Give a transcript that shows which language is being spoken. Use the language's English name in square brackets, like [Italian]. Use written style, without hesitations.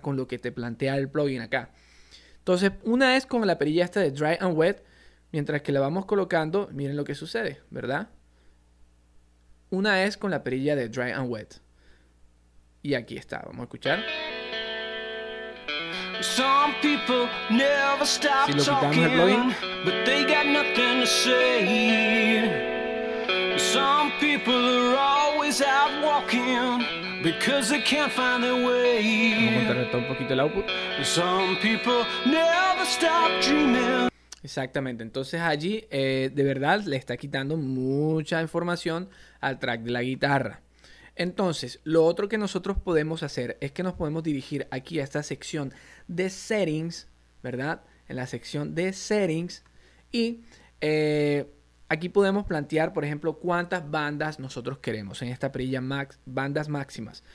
[Spanish] Con lo que te plantea el plugin acá. Entonces, una es con la perilla esta de Dry and Wet, mientras que la vamos colocando, miren lo que sucede, ¿verdad? Una es con la perilla de Dry and Wet. Y aquí está, vamos a escuchar. [English] Some people never stop talking, but they got nothing to say. Some people are always out walking because they can't find their way. Some people never stop dreaming. [Spanish] Exactamente, entonces allí de verdad le está quitando mucha información al track de la guitarra. Entonces, lo otro que nosotros podemos hacer es que nos podemos dirigir aquí a esta sección de settings, ¿verdad? En la sección de settings, y aquí podemos plantear, por ejemplo, cuántas bandas nosotros queremos en esta perilla max, bandas máximas.